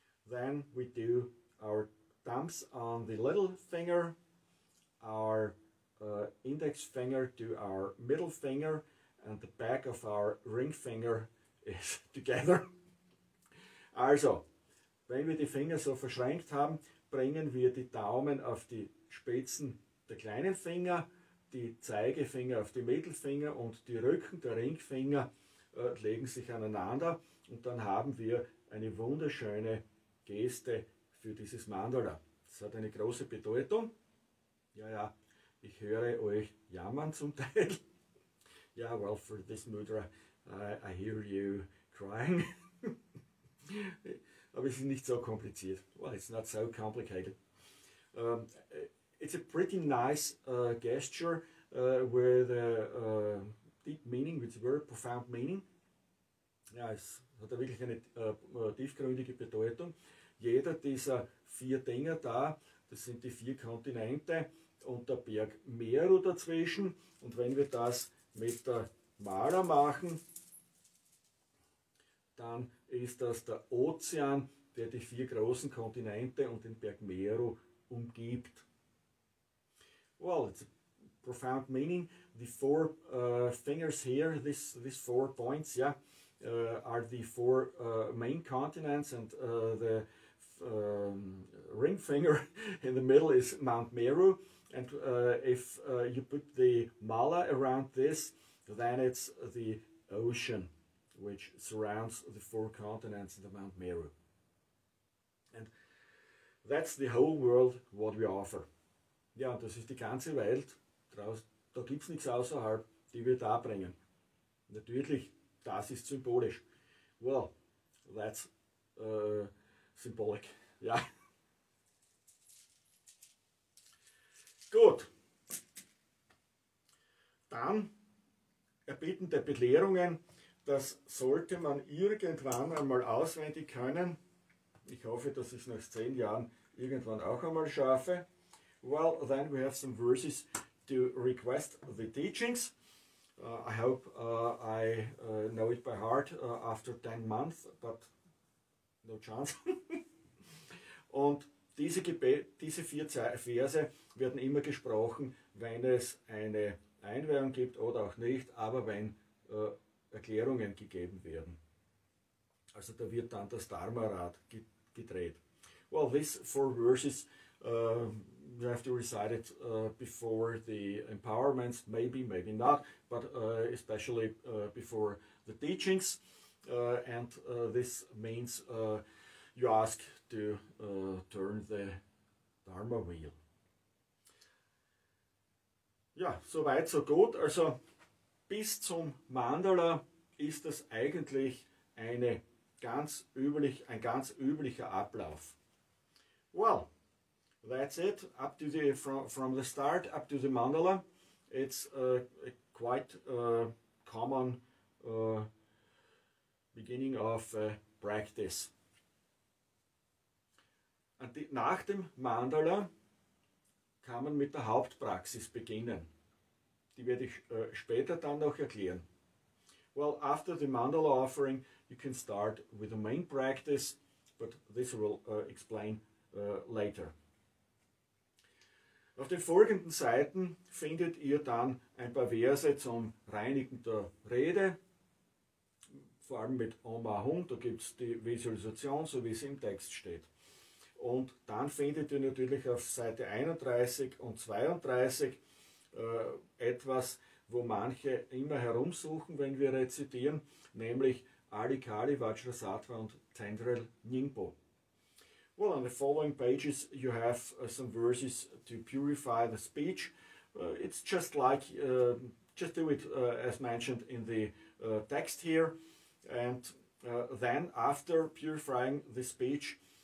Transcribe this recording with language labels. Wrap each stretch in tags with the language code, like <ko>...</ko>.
<en>Then we do our thumbs on the little finger, our index finger to our middle finger, and the back of our ring finger is together.</en> <de>Also, wenn wir die Finger so verschränkt haben, bringen wir die Daumen auf die Spitzen der kleinen Finger, die Zeigefinger auf die Mittelfinger und die Rücken der Ringfinger legen sich aneinander und dann haben wir eine wunderschöne Geste für dieses Mandala. Das hat eine große Bedeutung. Ja, ich höre euch jammern zum Teil.</de> <en>Ja, well, for this mudra, I hear you crying.</en> <de>Aber es ist nicht so kompliziert.</de> <en>Well, it's not so complicated. It's a pretty nice gesture with a deep meaning, with a very profound meaning.</en> <de>Ja, es hat wirklich eine tiefgründige Bedeutung. Jeder dieser vier Dinger da, das sind die vier Kontinente und der Berg Meru dazwischen. Und wenn wir das mit der Mala machen, dann ist das der Ozean, der die vier großen Kontinente und den Berg Meru umgibt.</de> <en>Well, it's a profound meaning. The four fingers here, these four points, yeah, are the four main continents and the ring finger in the middle is Mount Meru. And if you put the mala around this, then it's the ocean which surrounds the four continents in the Mount Meru. And that's the whole world what we offer.</en> <de>Ja, und das ist die ganze Welt. Da gibt es nichts außerhalb, die wir da bringen. Natürlich, das ist symbolisch.</de> <en>Well, that's symbolic.</en> <de>Ja. Gut. Dann erbitten der Belehrungen, das sollte man irgendwann einmal auswendig können. Ich hoffe, dass ich es nach 10 Jahren irgendwann auch einmal schaffe.</de> <en>Well, then we have some verses to request the teachings. I hope I know it by heart after 10 months, but no chance.</en> <de>Und diese vier Verse werden immer gesprochen, wenn es eine Einweihung gibt oder auch nicht, aber wenn Erklärungen gegeben werden. Also da wird dann das Dharma-Rad gedreht.</de> <en>Well, these four verses you have to recite it before the empowerments, maybe, maybe not, but especially before the teachings. And this means you ask to turn the Dharma wheel.</en> <de>Ja, so weit, so gut. Also bis zum Mandala ist das eigentlich ein ganz üblicher Ablauf.</de> <en>Well, that's it. Up to the from the start up to the Mandala, it's a quite common beginning of practice.</en> <de>Nach dem Mandala kann man mit der Hauptpraxis beginnen. Die werde ich später dann noch erklären.</de> <en>Well, after the Mandala offering, you can start with the main practice, but this will explain later.</en> <de>Auf den folgenden Seiten findet ihr dann ein paar Verse zum Reinigen der Rede. Vor allem mit Om Ahum, da gibt es die Visualisation, so wie sie im Text steht. Und dann findet ihr natürlich auf Seite 31 und 32 etwas, wo manche immer herumsuchen, wenn wir rezitieren, nämlich Ali Kali, Vajrasattva und Tendril Nyingpo.</de> <en>Well, on the following pages you have some verses to purify the speech. It's just like, just do it as mentioned in the text here. And then after purifying the speech,</en>